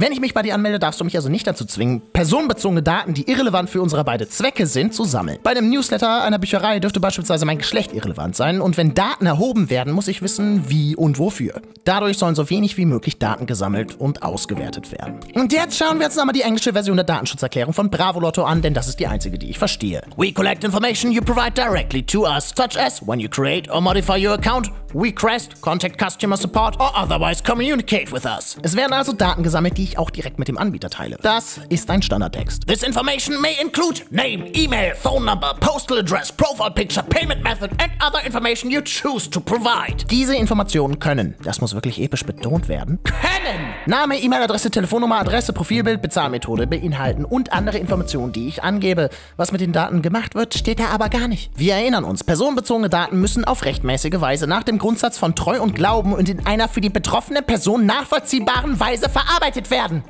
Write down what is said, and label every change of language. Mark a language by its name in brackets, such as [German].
[German] Wenn ich mich bei dir anmelde, darfst du mich also nicht dazu zwingen, personenbezogene Daten, die irrelevant für unsere beide Zwecke sind, zu sammeln. Bei einem Newsletter einer Bücherei dürfte beispielsweise mein Geschlecht irrelevant sein und wenn Daten erhoben werden, muss ich wissen, wie und wofür. Dadurch sollen so wenig wie möglich Daten gesammelt und ausgewertet werden. Und jetzt schauen wir uns nochmal die englische Version der Datenschutzerklärung von Bravo-Lotto an, denn das ist die einzige, die ich verstehe. [English] We collect information you provide directly to us, such as when you create or modify your account, request, contact customer support or otherwise communicate with us. [German] Es werden also Daten gesammelt, die ich auch direkt mit dem Anbieter teile. Das ist ein Standardtext. [English] This information may include name, email, phone number, postal address, profile picture, payment method and other information you choose to provide. [German] Diese Informationen können, das muss wirklich episch betont werden, können Name, E-Mail-Adresse, Telefonnummer, Adresse, Profilbild, Bezahlmethode beinhalten und andere Informationen, die ich angebe. Was mit den Daten gemacht wird, steht da aber gar nicht. Wir erinnern uns, personenbezogene Daten müssen auf rechtmäßige Weise nach dem Grundsatz von Treu und Glauben und in einer für die betroffene Person nachvollziehbaren Weise verarbeitet werden.